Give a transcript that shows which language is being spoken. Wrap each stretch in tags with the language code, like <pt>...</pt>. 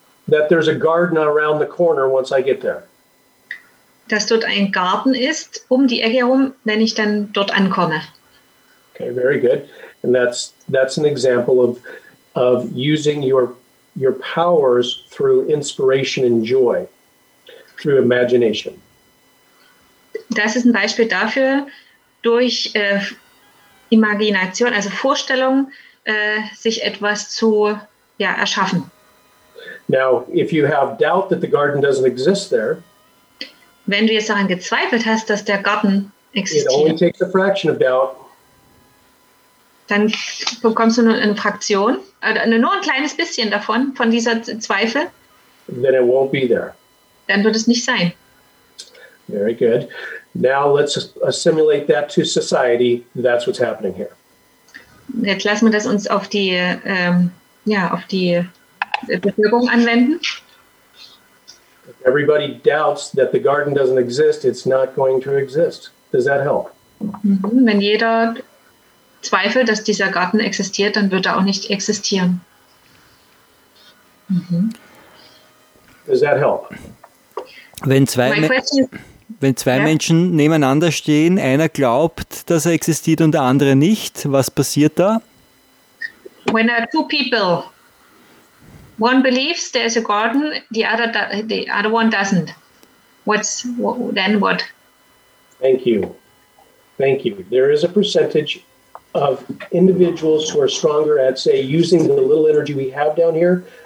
<en>That there's a garden around the corner once I get there.</en> <de>Dass dort ein Garten ist um die Ecke herum, wenn ich dann dort ankomme.</de> <en>Okay, very good. And that's an example of using your powers through inspiration and joy, through imagination.</en> <de>Das ist ein Beispiel dafür, durch Imagination, also Vorstellung, sich etwas zu erschaffen.</de> <en>Now, if you have doubt that the garden doesn't exist there,</en> <de>wenn du jetzt daran gezweifelt hast, dass der Garten existiert,</de> <en>it only takes a fraction of doubt.</en> <de>Dann bekommst du nur eine Fraktion, nur ein kleines bisschen davon, von dieser Zweifel.</de> <en>Then it won't be there.</en> <de>Dann wird es nicht sein.</de> <en>Very good. Now let's assimilate that to society. That's what's happening here.</en> <de>Jetzt lassen wir das uns auf die, auf die Bevölkerung anwenden.</de> <en>If everybody doubts that the garden doesn't exist, it's not going to exist. Does that help? Mm-hmm.</en> <de>Wenn jeder Zweifel, dass dieser Garten existiert, dann wird er auch nicht existieren. Mhm.</de> <en>Does that help?</en> <de>Wenn zwei</de> <en>My question,</en> <de>Wenn zwei Menschen nebeneinander stehen, einer glaubt, dass er existiert und der andere nicht, was passiert da?</de> <en>When two people, one believes there is a garden, the other one doesn't. Then what? Thank you. Thank you. There is a percentage of individuals who are stronger at, say, using the little energy we have down here.</en>